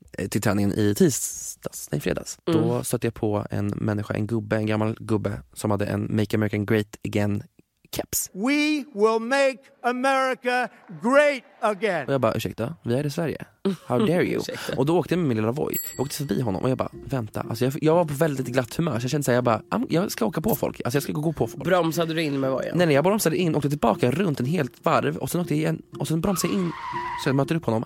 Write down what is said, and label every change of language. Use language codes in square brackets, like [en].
[sv] till träningen i tisdags, nej fredags. Mm. Då stötte jag på en människa, en gubbe, en gammal gubbe som hade en Make America Great Again keps. [en] We will make America great again. [sv] Och jag bara, ursäkta, vi är i Sverige. [en] How dare you? [sv] Och då åkte jag med min lilla voj. Jag åkte förbi honom och jag bara, vänta. Alltså jag var på väldigt glatt humör. Så jag kände så här, jag bara, jag ska åka på folk. Alltså jag ska gå på folk. Bromsade du in med vojen? Nej, jag bromsade in och åkte tillbaka runt en helt varv. Och sen åkte jag igen. Och sen bromsade jag in. Så jag möter upp honom.